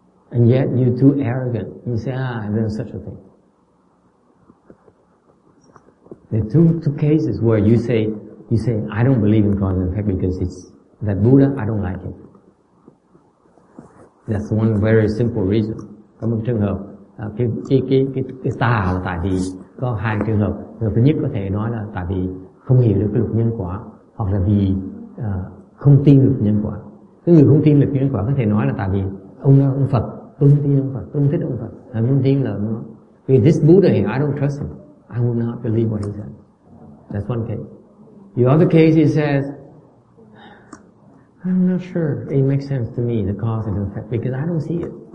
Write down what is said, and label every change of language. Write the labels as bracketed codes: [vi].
[en] And yet you're too arrogant. You say, there's such a thing. There are two cases where you say, I don't believe in cause and effect because it's that Buddha, I don't like him. That's one very simple reason. [vi] Có một trường hợp, cái tà là tại vì có hai trường hợp. Trường hợp thứ nhất có thể nói là tại vì không hiểu được cái luật nhân quả hoặc là vì không tin luật nhân quả. Cái người không tin luật nhân quả có thể nói là tại vì ông Phật, tôi không tin ông Phật, tôi không thích ông Phật. Tôi không tin là ông Phật. [en] Vì this Buddha here, I don't trust him. I will not believe what he said. That's one case. The other case, he says, I'm not sure it makes sense to me, the cause and effect, because I don't see it.